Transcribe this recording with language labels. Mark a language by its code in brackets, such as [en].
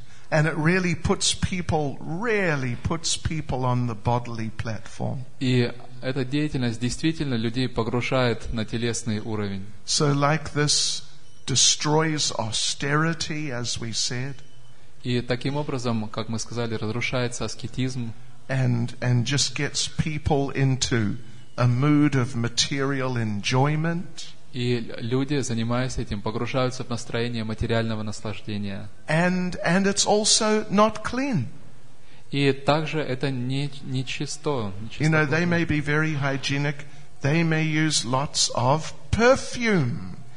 [en] And it really puts people on the bodily platform. [ru] И эта деятельность действительно людей погружает на телесный уровень. [en] So like this destroys austerity, as we said. [ru] И таким образом, как мы сказали, разрушается аскетизм. [en] And just gets people into a mood of material enjoyment. [ru] И люди, занимаясь этим, погружаются в настроение материального наслаждения. [en] And it's also not clean. [ru] И также это не чисто. [en] You know, they may be very hygienic. They may use lots of perfume.